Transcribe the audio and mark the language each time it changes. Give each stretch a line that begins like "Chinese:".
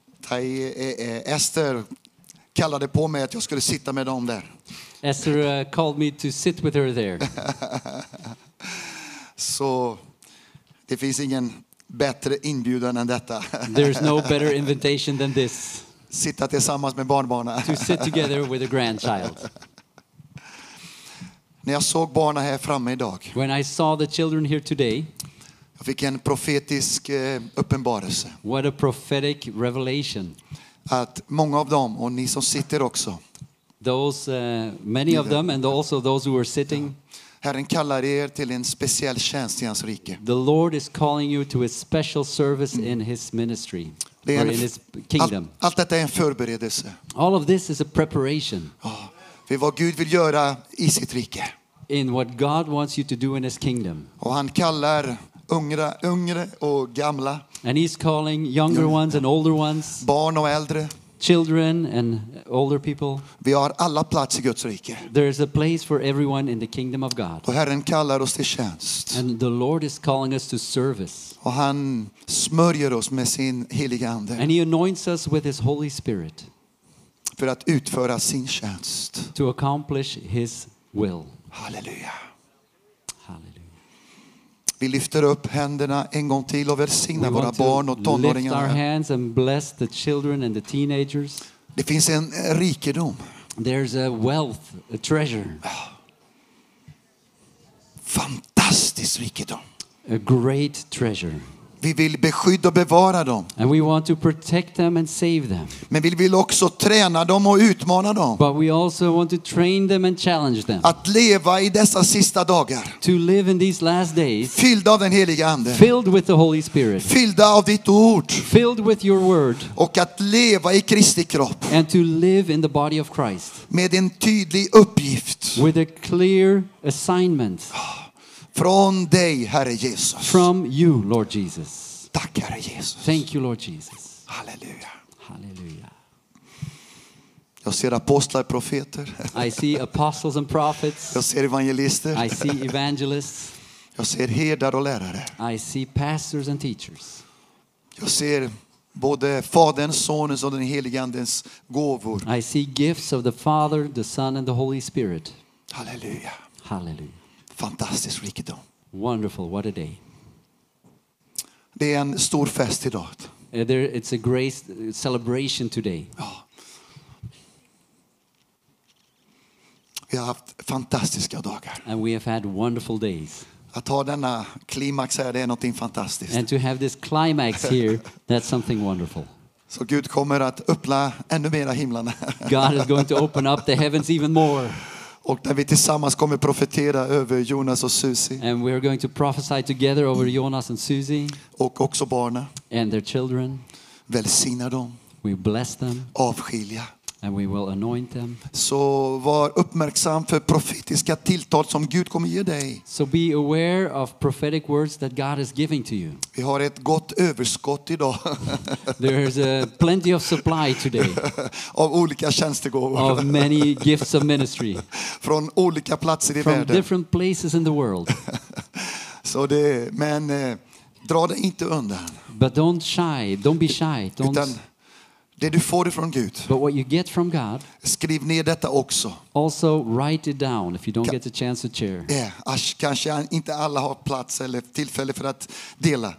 Swedish: aí Esther kallade på mig att jag skulle sitta med dem där.
English: Esther called me to sit with her there.
Swedish: Så det finns ingen bättre inbjudan än detta.
English: There's no better invitation than this.
Swedish: Sitta tillsammans med barnbarnen.
English: To sit together with a grandchild.
Swedish: När jag såg barnen här framme idag.
English: When I saw the children here today.
Swedish: Jag fick en profetisk uppenbarelse.
English: What a prophetic revelation.
Swedish: Att många av dem och ni som sitter också.
English: Those many of them and also those who are sitting.
Swedish: Herren kallar er till en speciell tjänst i hans rike.
English: The Lord is calling you to a special service in his ministry. Or in his kingdom.
Swedish: Allt detta är en förberedelse.
English: All of this is a preparation.
Swedish: För vad Gud vill göra i sitt rike.
English: In what God wants you to do in his kingdom.
Swedish: Och han kallar yngre och gamla.
English: And he's calling younger ones and older ones.
Swedish: Barn och äldre.
English: Children and older people.
Swedish: Vi har alla plats i Guds rike.
English: There is a place for everyone in the kingdom of God.
Swedish: Och Herren kallar oss till tjänst.
English: And the Lord is calling us to service.
Swedish: Och han smörjer oss med sin heliga ande.
English: And he anoints us with his Holy Spirit.
Swedish: För att utföra sin tjänst.
English: To accomplish his will.
Swedish: Halleluja.
English: Halleluja.
Swedish: Vi lyfter upp händerna en gång till och välsignar våra barn och tonåringar.
English: Lift our hands and bless the children and the teenagers.
Swedish: Det finns en rikedom.
English: There's a wealth, a treasure.
Swedish: Fantastisk rikedom.
English: A great treasure.
Swedish: Vi vill beskydda och bevara dem.
English: And we want to protect them and save them.
Swedish: Men vi vill också träna dem och utmana dem.
English: But we also want to train them and challenge them.
Swedish: Att leva i dessa sista dagar.
English: To live in these last days.
Swedish: Fylld av den heliga ande.
English: Filled with the Holy Spirit.
Swedish: Fylld av ditt ord.
English: Filled with your word.
Swedish: Och att leva i Kristi kropp.
English: And to live in the body of Christ.
Swedish: Med en tydlig uppgift.
English: With a clear assignment.
Swedish: Från dig, Herre Jesus.
English: From you, Lord Jesus.
Swedish: Tack, Herre Jesus.
English: Thank you, Lord Jesus.
Swedish: Halleluja.
English: Halleluja.
Swedish: Jag ser apostlar och profeter.
English: I see apostles and prophets.
Swedish: Jag ser evangelister.
English: I see evangelists.
Swedish: Jag ser herdar och lärare.
English: I see pastors and teachers.
Swedish: Jag ser både Faderns, Sonens och den helige Andens gåvor.
English: I see gifts of the Father, the Son and the Holy Spirit.
Swedish: Halleluja.
English: Halleluja.
Swedish: Fantastisk rikedom.
English: Wonderful, what a day.
Swedish: Det är en stor fest idag.
English: It's a great celebration today.
Swedish: Vi har haft fantastiska dagar.
English: And we have had wonderful days.
Swedish: Att ha denna klimax här, det är någonting fantastiskt.
English: And to have this climax here, that's something wonderful.
Swedish: Så Gud kommer att öppna ännu mera himlarna.
English: God is going to open up the heavens even more.
Swedish: Och när vi tillsammans kommer profetera över Jonas och Susie.
English: And we are going to prophesy together over Jonas and Susie.
Swedish: Och också barnen.
English: And their children.
Swedish: Välsigna dem.
English: We bless them.
Swedish: Avskilja.
English: And we will anoint them.
Swedish: Så var uppmärksam för profetiska tilltal som Gud kommer ge dig.
English: So be aware of prophetic words that God is giving to you.
Swedish: Vi har ett gott överskott idag.
English: There is a plenty of supply today.
Swedish: Av olika tjänstegåvor.
English: Of many gifts of ministry.
Swedish: Från olika platser i världen.
English: From different places in the world.
Swedish: Så det, men dra det inte undan.
English: But don't shy, don't be shy, don't.
Swedish: Utan det du får ifrån Gud.
English: But what you get from God.
Swedish: Skriv ner detta också.
English: Also write it down if you don't get a chance to share.
Swedish: Yeah, kanske inte alla har plats eller tillfälle för att dela.